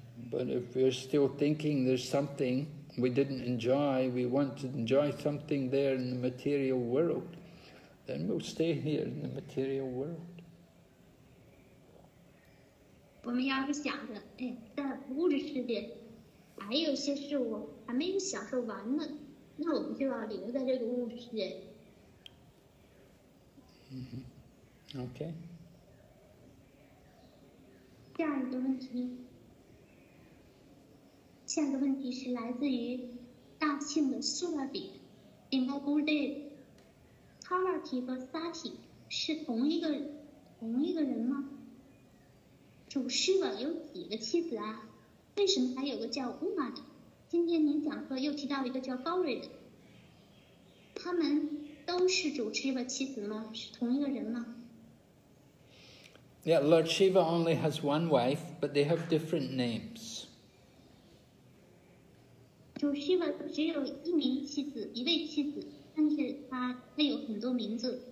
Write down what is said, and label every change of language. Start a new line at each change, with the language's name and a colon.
English: But if we're still thinking there's something we didn't enjoy, we want to enjoy something there in the material world, then we'll stay here in the material world.
Chinese: 我们要是想着，哎，在物质世界还有些事物还没有享受完呢，那我们就要留在这个物质世界。嗯，OK。下一个问题是来自于大庆的苏尔比，应该估计，塔拉提和萨提是同一个人吗？主师傅有几个妻子啊？为什么还有个叫乌玛的？今天您讲课又提到一个叫高瑞的，他们都是主师傅妻子吗？是同一个人吗
English: ？Yeah, Lord Shiva only has one wife, but they have different names.
Chinese: 主师傅只有一名妻子，一位妻子，但是他有很多名字。